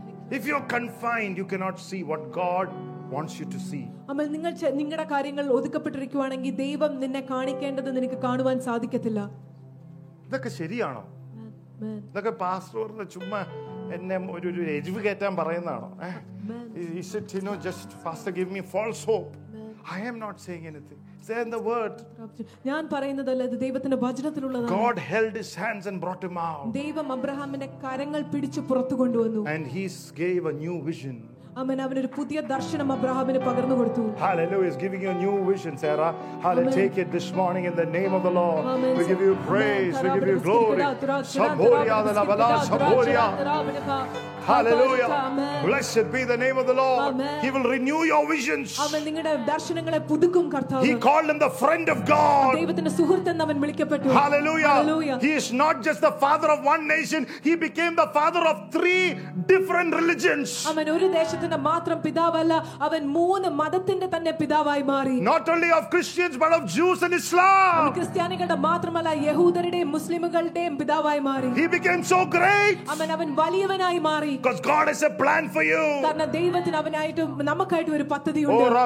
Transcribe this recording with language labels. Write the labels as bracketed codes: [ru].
[en] If you're confined, you cannot see what God wants you to see. [ml] അമ്മ നിങ്ങൾ നിങ്ങളുടെ കാര്യങ്ങൾ ഒതുക്കപ്പെട്ടിരിക്കുകയാണെങ്കിൽ ദൈവം നിന്നെ കാണിക്കേണ്ടത് നിനക്ക് കാണുവാൻ സാധിക്കത്തില്ല. ഇതൊക്കെ ശരിയാണോ? ഇതൊക്കെ പാസ്റ്റർ ചുമ്മാ എന്നെ ഒരു ഒരു എജിവ് കയറ്റാൻ പറയുന്നതാണോ? [en] Is it, you know, just pastor give me false hope? I am not saying anything. There in the word, [ml] ഞാൻ പറയുന്നതല്ല, ഇത് ദൈവത്തിന്റെ വചനത്തിലുള്ളതാണ്. [en] God held his hands and brought him out. [ml] ദൈവം അബ്രഹാമിനെ കരങ്ങൾ പിടിച്ചു പുറത്തു കൊണ്ടുവന്നു. [en] And he gave a new vision. Hallelujah, is giving you a new vision, Sarah. Hallelujah. Take it this morning in the name of the Lord. Amen. We give you praise. Amen. We give you glory. Hallelujah. Amen. Blessed be the name of the Lord. Amen. He will renew your visions. Amen. He called him the friend of God. Hallelujah. Hallelujah. He is not just the father of one nation. He became the father of three different religions. Amen. [ml] മാത്രം പിതാവല്ല അവൻ മൂന്ന് മതത്തിന്റെ തന്നെ പിതാവായി മാറി. [en] Not only of Christians but of Jews and Islam. [ml] ക്രിസ്ത്യാനികളുടെ മാത്രമല്ല യഹൂദരുടെയും മുസ്ലിമുകളുടെയും പിതാവായി മാറി. [en] He became so great. [ml] അവൻ വലിയവനായി മാറി. [en] Because God has a plan for you. [ml] കാരണം ദൈവത്തിന് അവനായിട്ട് നമുക്കായിട്ട് ഒരു പദ്ധതിയുണ്ട്.